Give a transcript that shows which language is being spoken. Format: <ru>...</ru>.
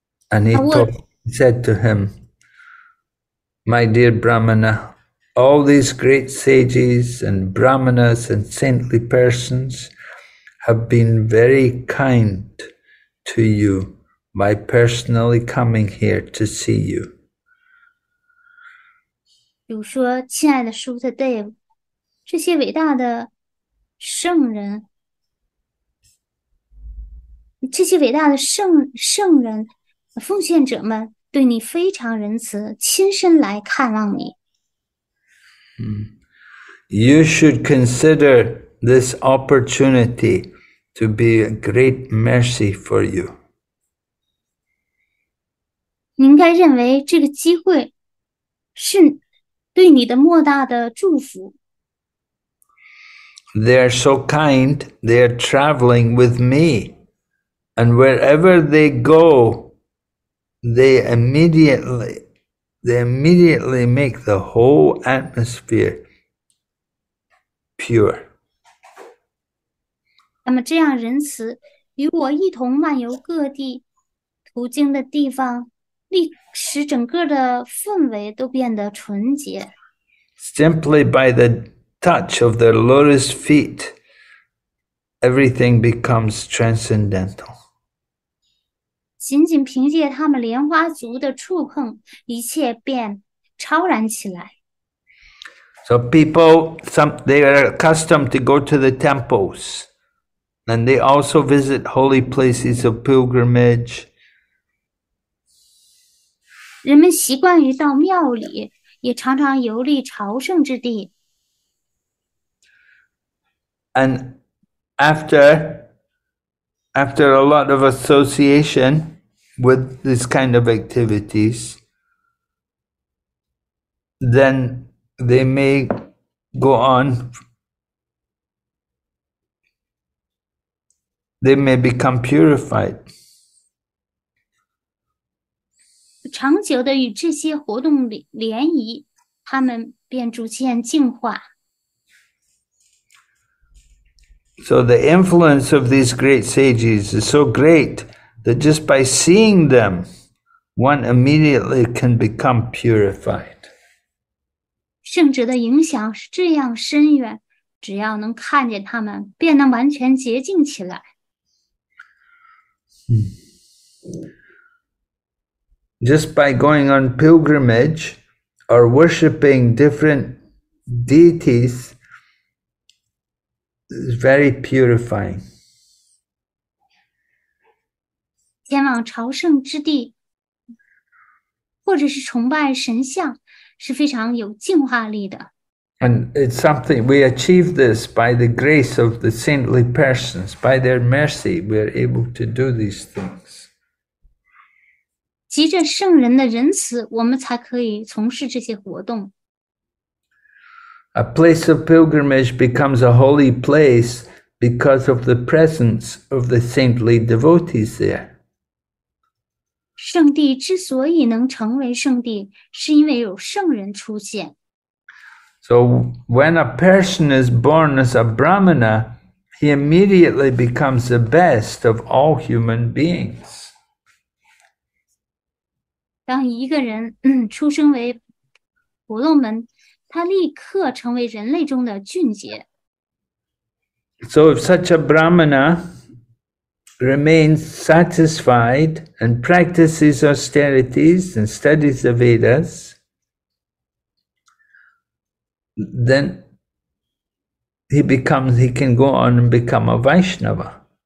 <en>And he said to him, my dear Brahmana, all these great sages and Brahmanas and saintly persons have been very kind to you by personally coming here to see you.</en> <zh>比如说，亲爱的 Shuta Dev， 这些伟大的圣人，这些伟大的圣人、奉献者们，对你非常仁慈，亲身来看望你。</zh> <en>You should consider this opportunity to be a great mercy for you.</en> <zh>你应该认为这个机会是对你的莫大的祝福。</zh> <en>They're so kind, they're traveling with me. And wherever they go, they immediately make the whole atmosphere pure.</en> <zh>那么这样仁慈，与我一同漫游各地，途经的地方，使整个的氛围都变得纯洁。</zh> <en>Simply by the touch of their lotus feet, everything becomes transcendental.</en> <zh>仅仅凭借他们莲花足的触碰，一切便超然起来。</zh> <en>So people, they are accustomed to go to the temples, and they also visit holy places of pilgrimage.</en> <zh>人们习惯于到庙里，也常常游历朝圣之地。</zh> <en>And after a lot of association with this kind of activities, then they may go on. They may become purified.</en> <zh>长久的与这些活动联谊，他们便逐渐净化。</zh> <en>So the influence of these great sages is so great that just by seeing them, one immediately can become purified.</en> <zh>圣者的影响是这样深远，只要能看见他们，便能完全洁净起来。</zh> <en>Just by going on pilgrimage or worshipping different deities is very purifying.</en> <zh>前往朝圣之地，或者是崇拜神像，是非常有净化力的。</zh> <en>And it's something, we achieve this by the grace of the saintly persons, by their mercy, we are able to do these things.</en> <zh>藉着圣人的仁慈，我们才可以从事这些活动。</zh> <en>A place of pilgrimage becomes a holy place because of the presence of the saintly devotees there.</en> <zh>圣地之所以能成为圣地，是因为有圣人出现。</zh> <en>So when a person is born as a Brahmana, he immediately becomes the best of all human beings.</en> <zh>当一个人出生为婆罗门，他立刻成为人类中的俊杰。</zh> <en>So if such a Brahmana remains satisfied and practices austerities and studies the Vedas, then he can go on and become a Vaishnava.</en>